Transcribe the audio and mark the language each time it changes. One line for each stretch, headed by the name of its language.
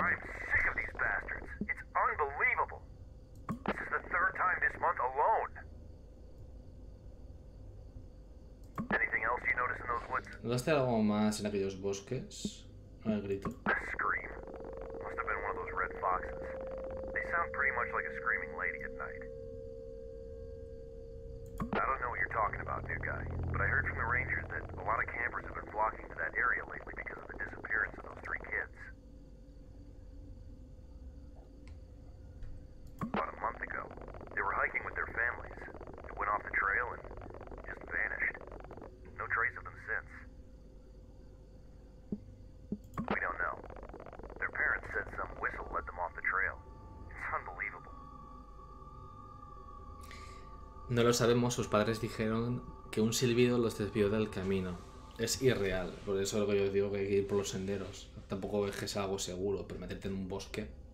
English: I'm sick of these bastards. It's unbelievable. This is the third time this month alone. Anything else you notice in those woods?
Spanish: ¿Notaste algo más en aquellos bosques? No, el grito.
English: A scream. Must have been one of those red foxes. sound pretty much like a screaming lady at night. I don't know what you're talking about, new guy, but I heard from the rangers that a lot of campers have been flocking to that area lately because of the disappearance of those three kids. About a month ago, they were hiking with their families. They went off the trail and just vanished. No trace of them since. We don't know. Their parents said some whistle led them off the trail. It's unbelievable.
Spanish: No lo sabemos, sus padres dijeron que un silbido los desvió del camino. Es irreal, por eso yo digo que hay que ir por los senderos. Tampoco es que sea algo seguro, pero meterte en un bosque...